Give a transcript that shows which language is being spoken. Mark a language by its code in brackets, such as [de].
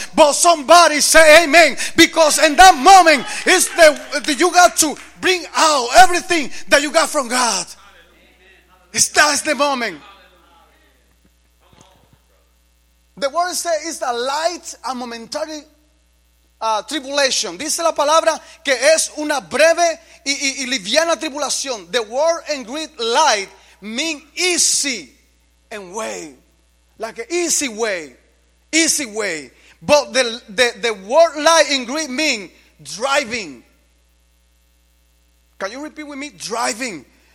[en] But somebody say amen. Because in that moment, it's the you got to bring out everything that you got from God. That's the moment. The word says it's a light, a momentary tribulation. [es] Dice la palabra que es una breve y liviana tribulación. [en] The word in Greek light mean easy and way. Like an easy way. Easy way. But the word light in Greek mean driving. Can you repeat with me? Driving.